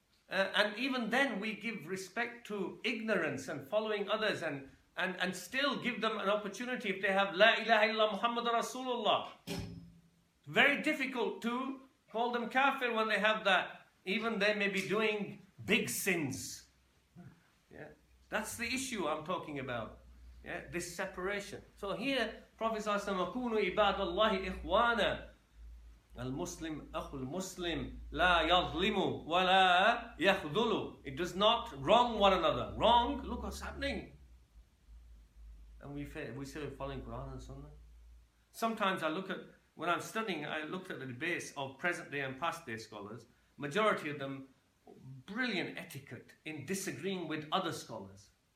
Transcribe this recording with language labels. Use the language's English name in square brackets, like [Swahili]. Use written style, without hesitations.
[English] And even then we give respect to ignorance and following others and still give them an opportunity if they have La ilaha illa Muhammad Rasulullah. Very difficult to call them kafir when they have that. Even they may be doing big sins. Yeah. That's the issue I'm talking about. Yeah, this separation. So here, Prophet ﷺ, [Arabic] وَكُونُوا عِبَادَ اللَّهِ إِخْوَانًا المسلم أخو المسلم لا يظلم ولا يخذل. [English] It does not wrong one another. Wrong? Look what's happening. And we say we're following Quran and Sunnah. Sometimes I look at, when I'm studying, I look at the debates of present day and past day scholars. Majority of them, brilliant etiquette in disagreeing with other scholars.